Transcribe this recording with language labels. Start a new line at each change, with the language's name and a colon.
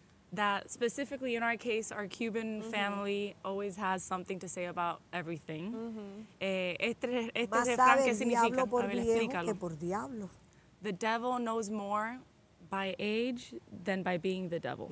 English: That specifically in our case, our Cuban mm-hmm. family always has something to say about everything. Mm-hmm.
Spanish: Este refrán, ¿qué significa? Por a ver, viejo explícalo. Que por diablo.
English: The devil knows more by age than by being the devil.